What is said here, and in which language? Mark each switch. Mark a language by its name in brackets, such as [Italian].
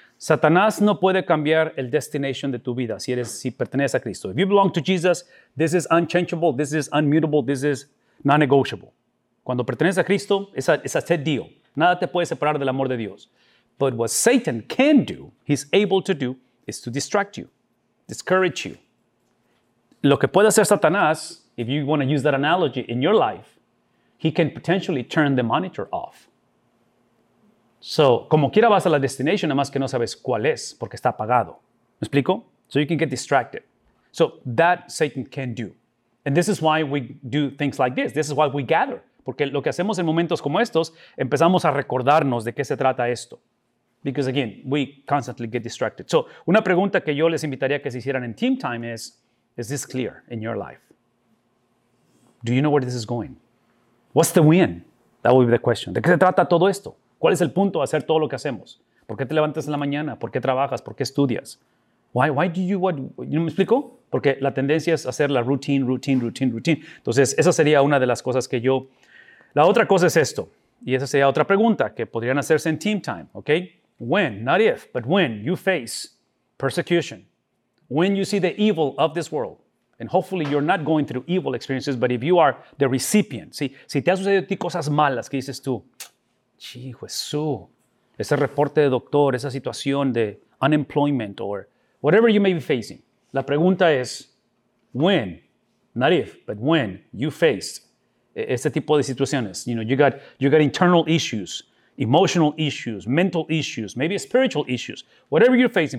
[Spanish] Satanás no puede cambiar el destination de tu vida si perteneces a Cristo. [English] If you belong to Jesus, this is unchangeable, this is unmutable, this is non-negotiable. [Spanish] Cuando perteneces a Cristo, [English] it's a set deal. [Spanish] Nada te puede separar del amor de Dios. [English] But what Satan can do, he's able to do, is to distract you, discourage you. [Spanish] Lo que puede hacer Satanás, [English] if you want to use that analogy in your life, he can potentially turn the monitor off. [Spanish] So, como quiera vas a la destination, nada más que no sabes cuál es, porque está apagado. ¿Me explico? [English] So you can get distracted. So that Satan can do. And this is why we do things like this. This is why we gather. [Spanish] Porque lo que hacemos en momentos como estos, empezamos a recordarnos de qué se trata esto. [English] Because again, we constantly get distracted. So, [Spanish] una pregunta que yo les invitaría que se hicieran en [English] team time is this clear in your life? Do you know where this is going? What's the win? That would be the question. [Spanish] ¿De qué se trata todo esto? ¿Cuál es el punto de hacer todo lo que hacemos? ¿Por qué te levantas en la mañana? ¿Por qué trabajas? ¿Por qué estudias? [English] Why do you what? [Spanish] ¿You know, me explico? Porque la tendencia es hacer la routine. Entonces, esa sería una de las cosas que yo... La otra cosa es esto. Y esa sería otra pregunta que podrían hacerse en team time, ¿ok? [English] When, not if, but when you face persecution, when you see the evil of this world, and hopefully you're not going through evil experiences, but if you are the recipient, ¿sí? [Spanish] Si te ha sucedido a ti cosas malas, ¿qué dices tú? Jesús, ese reporte de doctor, esa situación de unemployment [English] or whatever you may be facing. La pregunta es, when, not if, but when you face [Spanish] este tipo de situaciones, [English] you know, you got internal issues, emotional issues, mental issues, maybe spiritual issues, whatever you're facing.